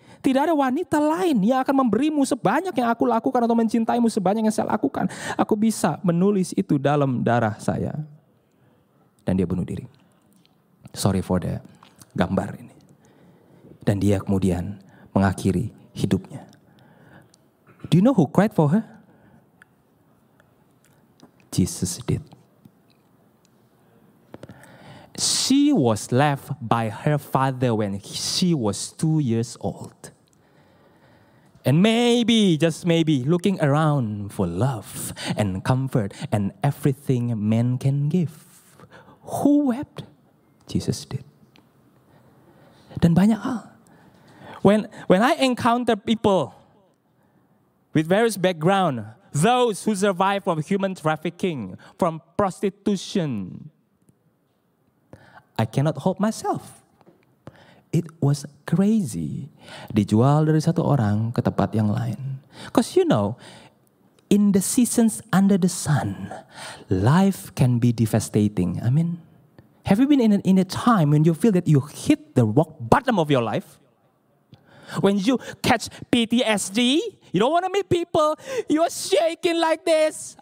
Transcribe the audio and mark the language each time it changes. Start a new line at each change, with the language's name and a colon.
Indonesian: Tidak ada wanita lain yang akan memberimu sebanyak yang aku lakukan atau mencintaimu sebanyak yang saya lakukan. Aku bisa menulis itu dalam darah saya. Dan dia bunuh diri.
English: Sorry for the
Indonesian: gambar ini. Dan dia kemudian mengakhiri hidupnya.
English: Do you know who cried for her? Jesus did. She was left by her father when she was 2 years old. And maybe, just maybe, looking around for love and comfort and everything men can give. Who wept? Jesus did.
Indonesian: Dan banyak hal.
English: When I encounter people with various background, those who survive from human trafficking, from prostitution, I cannot hold myself. It was crazy.
Indonesian: Dijual dari satu orang ke tempat yang lain.
English: Because you know, in the seasons under the sun, life can be devastating. I mean, have you been in a time when you feel that you hit the rock bottom of your life? When you catch PTSD, you don't want to meet people, you're shaking like this.